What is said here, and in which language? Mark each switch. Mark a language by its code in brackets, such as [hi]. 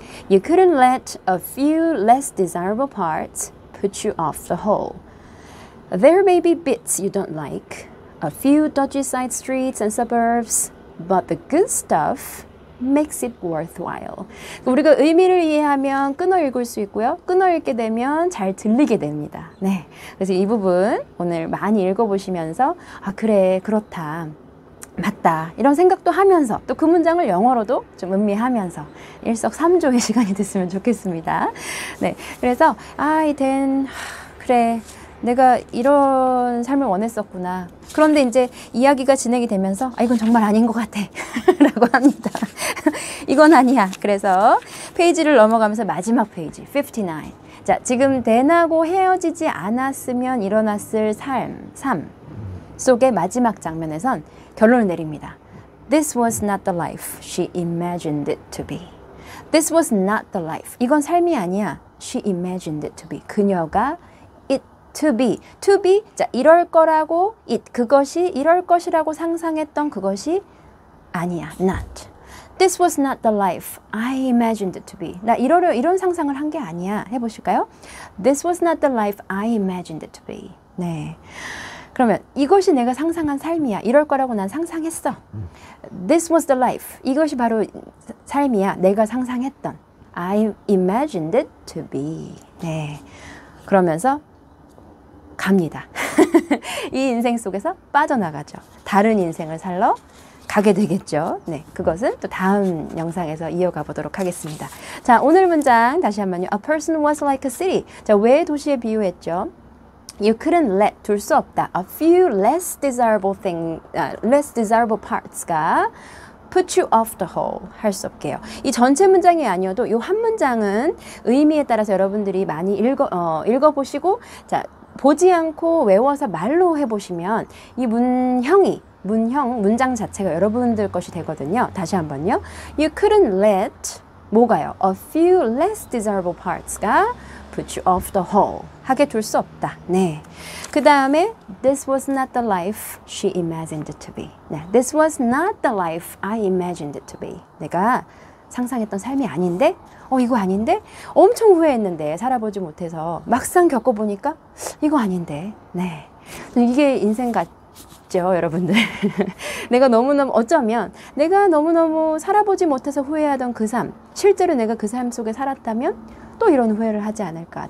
[en] You couldn't let a few less desirable parts put you off the whole. There may be bits you don't like, a few dodgy side streets and suburbs, but the good stuff makes it worthwhile. [ko] 우리가 의미를 이해하면 끊어 읽을 수 있고요. 끊어 읽게 되면 잘 들리게 됩니다. 네. 그래서 이 부분 오늘 많이 읽어보시면서 아 그래 그렇다 맞다 이런 생각도 하면서 또 그 문장을 영어로도 좀 음미하면서 일석삼조의 시간이 됐으면 좋겠습니다. 네. 그래서 아이 된 그래 내가 이런 삶을 원했었구나. 그런데 이제 이야기가 진행이 되면서 아 이건 정말 아닌 것 같아 라고 합니다. 이건 아니야. 그래서 페이지를 넘어가면서 마지막 페이지 59. 자 지금 댄하고 헤어지지 않았으면 일어났을 삶 속의 마지막 장면에선 결론을 내립니다. [en] This was not the life she imagined it to be. This was not the life. [ko] 이건 삶이 아니야. [en] She imagined it to be. [ko] 그녀가 To be, 자, 이럴 거라고, it, 그것이 이럴 것이라고 상상했던 그것이 아니야, not. [en] This was not the life I imagined it to be. [ko] 나 이런 상상을 한 게 아니야. 해보실까요? [en] This was not the life I imagined it to be. [ko] 네. 그러면 이것이 내가 상상한 삶이야. 이럴 거라고 난 상상했어. [en] This was the life. [ko] 이것이 바로 삶이야. 내가 상상했던. [en] I imagined it to be. 네. [ko] 그러면서 갑니다. 이 인생 속에서 빠져나가죠. 다른 인생을 살러 가게 되겠죠. 네, 그것은 또 다음 영상에서 이어가 보도록 하겠습니다. 자, 오늘 문장 다시 한번요. [en] A person was like a city. [ko] 자, 왜 도시에 비유했죠? [en] You couldn't let, [ko] 둘 수 없다. [en] A few less desirable things, less desirable parts가 put you off the whole [ko] 할 수 없게요. 이 전체 문장이 아니어도 이 한 문장은 의미에 따라서 여러분들이 많이 읽어보시고 자, 보지 않고 외워서 말로 해보시면 이 문장 자체가 여러분들 것이 되거든요. 다시 한번요. [en] You couldn't let, [ko] 뭐가요? [en] A few less desirable parts가 put you off the whole. [ko] 하게 둘 수 없다. 네. 그 다음에 [en] This was not the life she imagined it to be. [ko] 네. [en] This was not the life I imagined it to be. [ko] 내가 상상했던 삶이 아닌데? 이거 아닌데? 엄청 후회했는데 살아보지 못해서 막상 겪어보니까 이거 아닌데. 네. 이게 인생 같죠, 여러분들. 내가 너무너무 살아보지 못해서 후회하던 그 삶, 실제로 내가 그 삶 속에 살았다면 또 이런 후회를 하지 않을까?